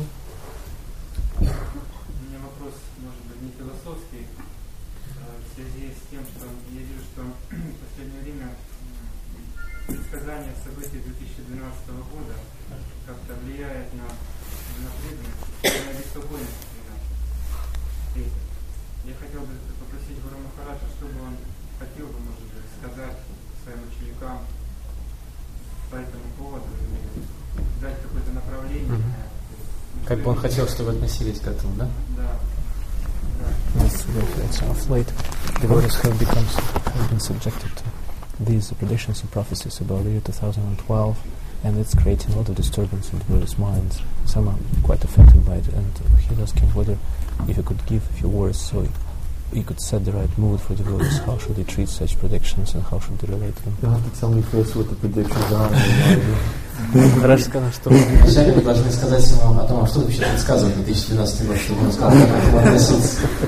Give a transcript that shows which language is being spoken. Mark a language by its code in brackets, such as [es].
[ru] У меня вопрос, может быть, не философский, в связи с тем, что я вижу, что в последнее время предсказание событий 2012 года как-то влияет на преданность, на беспокойность, например. Я хотел бы попросить Гуру Махараджа, что бы он хотел бы, может быть, сказать своим ученикам по этому поводу, дать какое-то направление. Как бы он хотел, чтобы относились к этому, да? [en] Yes, of late, devotees have been subjected to these predictions and prophecies about the year 2012, and it's creating a lot of disturbance in the Buddhist minds. Some are quite affected by it, and he's asking whether, if you could give a few words, so he could set the right mood for devotees. How should they treat such predictions, and how should they relate them? You have to tell me first what the predictions are. [ru] Хорошо сказано, что вначале вы должны сказать ему о том, а что вообще предсказывает 2012 год, чтобы он сказал, как ему относиться.